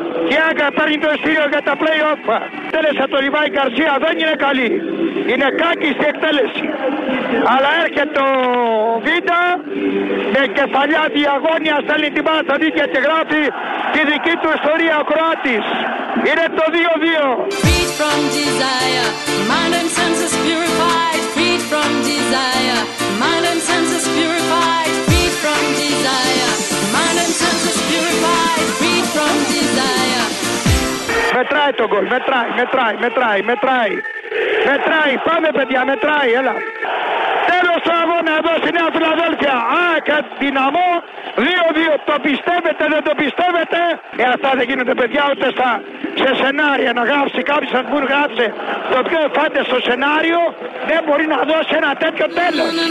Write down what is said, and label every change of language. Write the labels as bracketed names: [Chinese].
[Greek] Και άγκα παίρνει το εισιτήριο για τα play-off! Τέλεσε το Λιβάη Γκαρσία, δεν είναι καλή! Είναι κάκι στην εκτέλεση. Αλλά έρχεται ο Βίντα με κεφαλιά διαγώνια, στέλνει την μπάλα στα δίκια και γράφει τη δική του ιστορία ο Κροάτης. Είναι το 2-2. [English] Feed from desire, mind and senses purified. Feed from desire, mind and senses purified. Feed from desire, mind and senses purified. Feed from desire. [Greek] Μετράει το γκολ, μετράει. Μετράει, πάμε παιδιά, μετράει, έλα. Τέλος του αγώνα εδώ στη Νέα Φιλαδέλφια. ΑΕΚ Δυναμό, 2-2, το πιστεύετε, δεν το πιστεύετε. Αυτά δεν γίνονται παιδιά ούτε σε σενάρια να γράψει κάποιος, αν μπορεί να γράψει το πιο εφάνταστο σενάριο, δεν μπορεί να δώσει ένα τέτοιο τέλος.